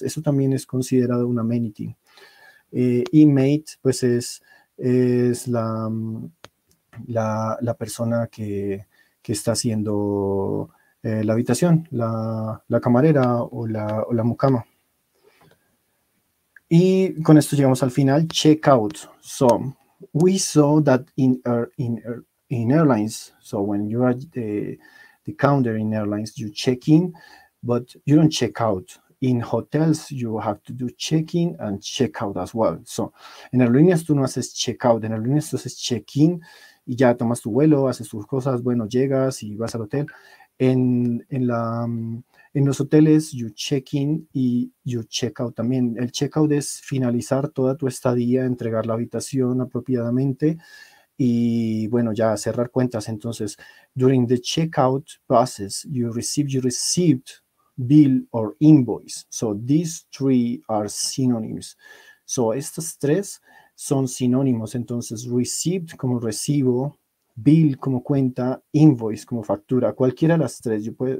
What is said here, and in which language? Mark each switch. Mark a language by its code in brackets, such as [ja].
[es] Eso también es considerado un amenity. Y mate, pues es la persona que está haciendo la habitación, la camarera o la mucama. Y con esto llegamos al final. Check out. [en] So, we saw that in airlines, so when you're at the counter in airlines, you check in, but you don't check out. In hotels, you have to do check-in and check-out as well. [es] So, en aerolíneas tú no haces check-out, en aerolíneas tú haces check-in y ya tomas tu vuelo, haces tus cosas, bueno, llegas y vas al hotel. En los hoteles, [en] you check-in [es] y [en] you check-out [es] también. El check-out es finalizar toda tu estadía, entregar la habitación apropiadamente y, bueno, ya cerrar cuentas. [en] Entonces, during the check-out process, you received bill or invoice. So these three are synonyms. So [es] estas tres son sinónimos. Entonces received como recibo, bill como cuenta, invoice como factura. Cualquiera de las tres.